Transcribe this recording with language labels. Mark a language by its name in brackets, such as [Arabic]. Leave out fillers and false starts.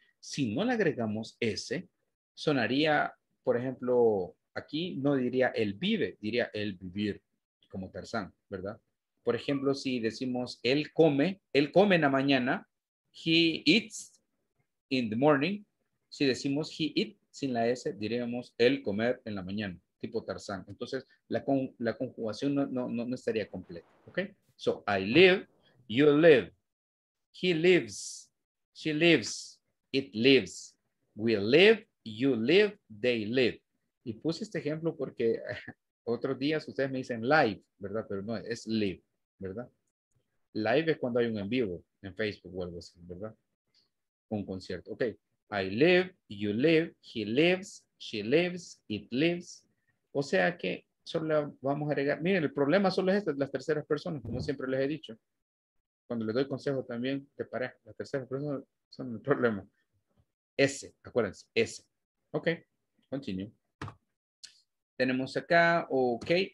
[Spanish] Si no le agregamos S, sonaría, por ejemplo, aquí no diría él vive, diría él vivir, como Tarzán, ¿verdad? Por ejemplo, si decimos él come en la mañana, [English] he eats in the morning. [Spanish] Si decimos [English] he eat [Spanish] sin la S, diríamos él comer en la mañana, tipo Tarzán. Entonces, la conjugación no estaría completa. Okay? [English] So, I live, you live, he lives, she lives, it lives, we live, you live, they live. [Spanish] Y puse este ejemplo porque otros días ustedes me dicen live, ¿verdad? Pero no, es live, ¿verdad? Live es cuando hay un en vivo en Facebook o algo así, ¿verdad? Un concierto. Ok. [English] I live, you live, he lives, she lives, it lives. [Spanish] O sea que solo vamos a agregar. Miren, el problema solo es este, las terceras personas, como siempre les he dicho. Cuando les doy consejo también, te pareja. Las terceras personas son el problema. S, acuérdense, S. Ok, continue. Tenemos acá, ok.